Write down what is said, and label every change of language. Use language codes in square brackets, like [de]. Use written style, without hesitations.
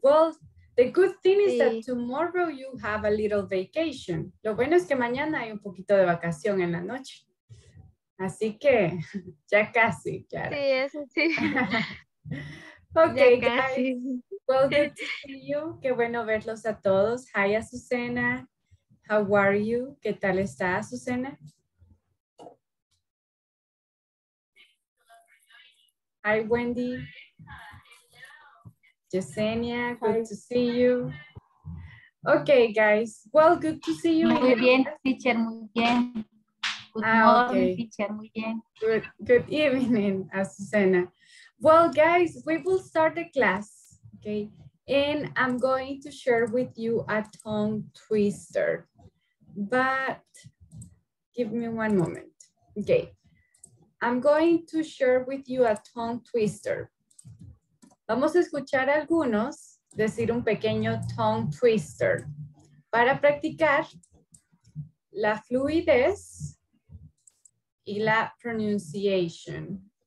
[en] Well, the good thing is that tomorrow you have a little vacation. [es] Lo bueno es que mañana hay un poquito de vacación en la noche. Así que, ya casi, Clara. Sí, eso sí. [en] Okay, guys. Well, good to see you. [es] Qué bueno verlos a todos. [en] Hi, Azucena. How are you? [es] ¿Qué tal está, Azucena? [en] Hi, Wendy. Yesenia, good to see you. Okay, guys. Well, good to see you. [es] Muy bien, teacher, muy bien. [en] Good evening, Azucena. Well, guys, we will start the class, okay? And I'm going to share with you a tongue twister. But give me one moment, okay? I'm going to share with you a tongue twister. [es] Vamos a escuchar a algunos decir un pequeño tongue twister para practicar la fluidez y la pronunciation.